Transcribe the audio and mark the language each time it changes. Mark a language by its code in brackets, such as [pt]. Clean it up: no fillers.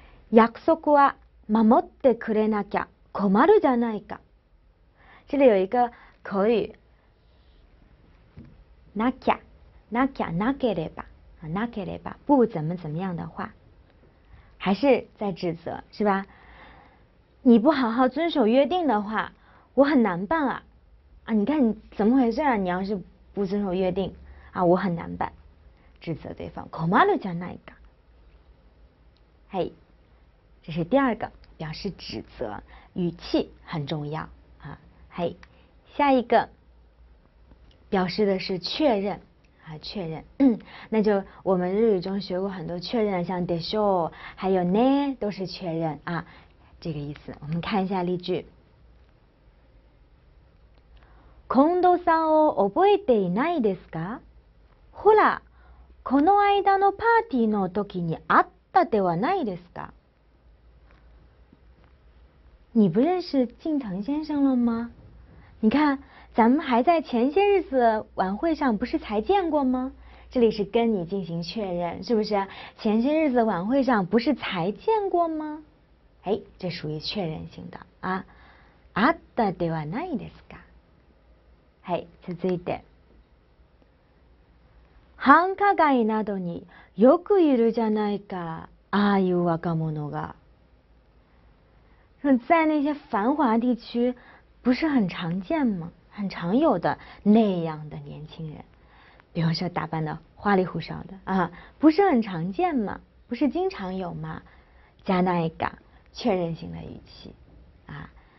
[ja] 約束は守ってくれなきゃ。困るじゃないか。 [zh] 这里有一个口语， [ja] なきゃ、なきゃ、なければ、なければ， [zh] 不怎么怎么样的话，还是在指责，是吧？你不好好遵守约定的话，我很难办啊！啊，你看你怎么回事啊？你要是不遵守约定啊，我很难办，指责对方。 [ja] 困るじゃないか。 [zh] 嘿，这是第二个表示指责。语气很重要啊，嘿，下一个表示的是确认啊，确认，那就我们日语中学过很多确认，像でしょう，还有ね，都是确认啊，这个意思。我们看一下例句。 [ja] 近藤さんを覚えていないですか？ほら、この間のパーティーの時に会ったではないですか？ [zh] 你不认识近藤先生了吗？你看，咱们还在前些日子晚会上不是才见过吗？这里是跟你进行确认，是不是？前些日子晚会上不是才见过吗？哎，这属于确认性的啊。 [ja] あったではないですか？はい、続いて。繁華街などによくいるじゃないか、ああいう若者が。 [zh] 说在那些繁华地区不是很常见吗？很常有的那样的年轻人，比如说打扮的花里胡哨的啊，不是很常见吗？不是经常有吗？加那一个确认性的语气啊。